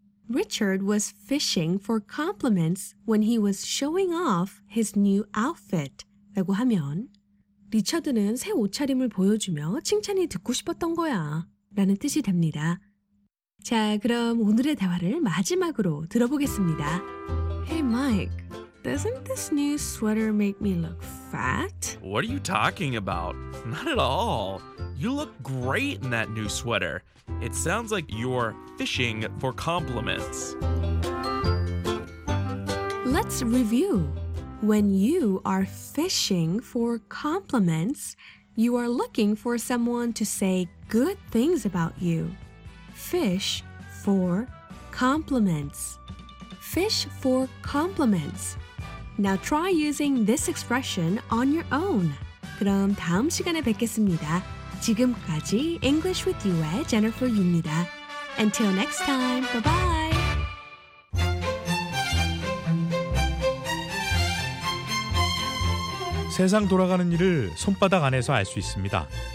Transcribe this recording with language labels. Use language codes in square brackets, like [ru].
[en] Richard was fishing for compliments when he was showing off his new outfit. [ko] 라고 하면 리처드는 새 옷차림을 보여주며 칭찬이 듣고 싶었던 거야. 라는 뜻이 됩니다. 자, 그럼 오늘의 대화를 마지막으로 들어보겠습니다. [en] Hey, Mike, doesn't this new sweater make me look fat? What are you talking about? Not at all. You look great in that new sweater. It sounds like you're fishing for compliments. Let's review. When you are fishing for compliments, you are looking for someone to say good things about you. Fish for compliments. Fish for compliments. Now try using this expression on your own. [ko] 그럼 다음 시간에 뵙겠습니다. 지금까지 English with you의 Jennifer 유입니다. [en] Until next time, bye-bye. [ko] Seasang 돌아가는 일을 손바닥 안에서 알 수 있습니다.